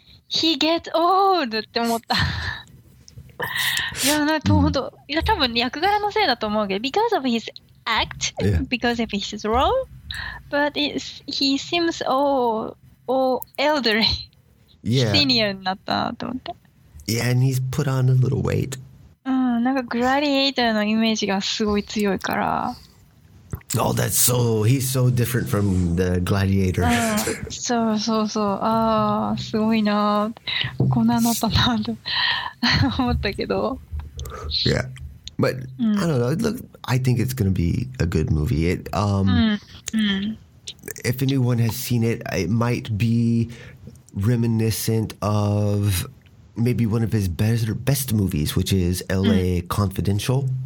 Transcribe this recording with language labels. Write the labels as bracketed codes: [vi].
[en] He gets old [ja] って思った。いやなんか本当、いや多分役柄のせいだと思うけど [en] because of his act、yeah. because of his role but it's, he seems all elderly、 yeah. [ja] senior になったなと思って [en] yeah and he's put on a little weight、 [ja] うん、なんかグラディエーターのイメージがすごい強いから [en] oh that's so he's so different from the gladiator 、 [ja] うん、そうそうそうあすごいなこんなのったなと [en] yeah, but I don't know. Look, I think it's going to be a good movie. It, if anyone has seen it, it might be reminiscent of maybe one of his best movies, which is L.A. Confidential.